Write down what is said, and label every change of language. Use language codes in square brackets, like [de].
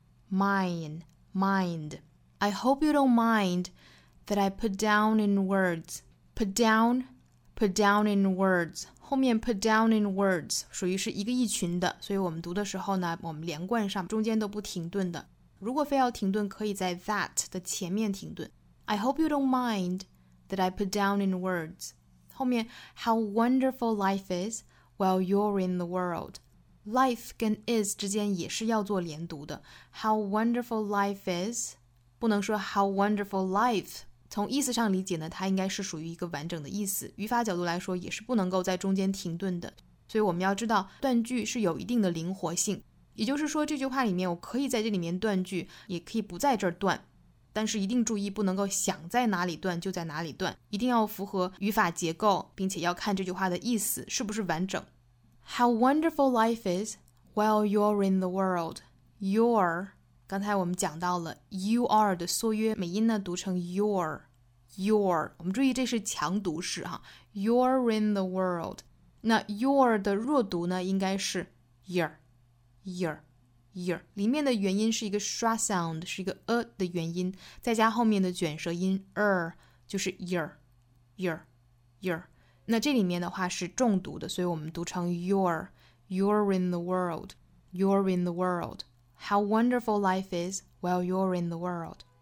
[en] mind I hope you don't mind that I put down in words. Put down in words， [zh] 后面 [en] put down in words [zh] 属于是一个一群的，所以我们读的时候呢我们连贯上，中间都不停顿的。如果非要停顿可以在 that 的前面停顿。 [en] I hope you don't mind that I put down in words. [zh] 后面 [en] how wonderful life is while you're in the world. [zh] Life 跟 is 之间也是要做连读的。 [en] How wonderful life is. [zh] 不能说 [en] how wonderful life. [zh] 从意思上理解呢，它应该是属于一个完整的意思。语法角度来说也是不能够在中间停顿的。所以我们要知道断句是有一定的灵活性。也就是说这句话里面我可以在这里面断句，也可以不在这儿断。但是一定注意不能够想在哪里断就在哪里断，一定要符合语法结构，并且要看这句话的意思是不是完整。 [en] How wonderful life is while you're in the world. [zh] You're 刚才我们讲到了 you are 的缩约美音呢读成 you're 我们注意这是强读式哈。 You're in the world， 那 you're 的弱读呢应该是 you're 里面的元音是一个 schwa sound， 是一个 a 的元音，再加后面的卷舌音 r， 就是 you're 那这里面的话是重读的，所以我们读成 [en] you're in the world [zh] How wonderful life is while you're in the world。